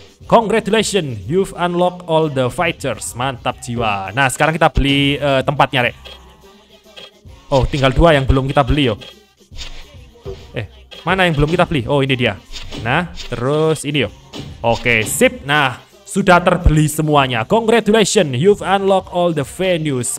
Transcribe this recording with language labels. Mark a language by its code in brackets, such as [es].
[en] Congratulations, you've unlocked all the fighters. [id] Mantap jiwa. Nah, sekarang kita beli tempatnya, Rek. Oh, tinggal 2 yang belum kita beli, yo. Mana yang belum kita beli? Oh, ini dia. Nah, terus ini, yo. Oke, sip. Nah, sudah terbeli semuanya. [en] Congratulations, you've unlocked all the venues.